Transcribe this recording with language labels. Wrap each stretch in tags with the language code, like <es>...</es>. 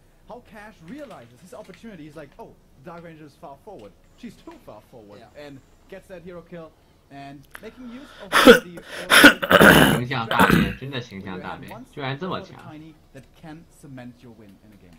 <en>How Cash realizes his opportunity is like, oh, Dark Ranger is far forward. She's too far forward. And gets that hero kill.</en> <zh>形象大变，真的形象大变，居然这么强。</zh> <en>That can cement your win in a game.</en>